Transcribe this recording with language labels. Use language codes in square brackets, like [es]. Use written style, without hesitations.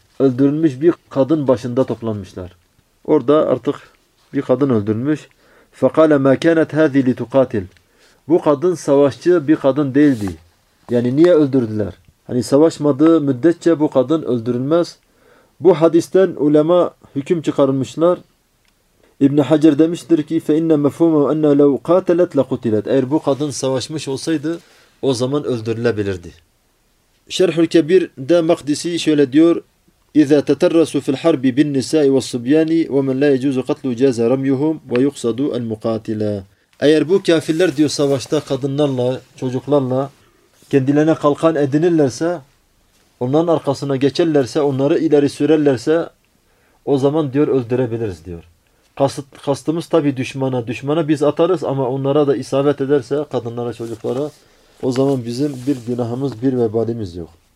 [tr] Öldürülmüş bir kadın başında toplanmışlar. Orada artık bir kadın öldürülmüş. [ar] فَقَالَ مَا كَانَتْ هَذِي لِتُقَاتِلْ. [tr] Bu kadın savaşçı bir kadın değildi. Yani niye öldürdüler? Hani savaşmadığı müddetçe bu kadın öldürülmez. Bu hadisten ulema hüküm çıkarmışlar. İbn Hacer demiştir ki [ar] فَاِنَّ مَفْهُمَهُ اَنَّ لَوْ قَاتَلَتْ لَقُتِلَتْ. [tr] Eğer bu kadın savaşmış olsaydı o zaman öldürülebilirdi. Şerhül Kebir'de Makdisi şöyle diyor: [ar] اِذَا تَتَرَّسُ فِي الْحَرْبِ بِالنِّسَاءِ وَالصُّبْيَانِ وَمَنْ لَا يَجُوزُ قَتْلُ جَازَ رَمْيُهُمْ وَيُقْصَدُ الْمُقَاتِلَ. [tr] Eğer bu kafirler diyor savaşta kadınlarla, çocuklarla kendilerine kalkan edinirlerse, onların arkasına geçerlerse, onları ileri sürerlerse o zaman diyor öldürebiliriz diyor. Kastımız tabii düşmana. Düşmana biz atarız ama onlara da isabet ederse, kadınlara, çocuklara, o zaman bizim bir günahımız, bir vebalimiz yok.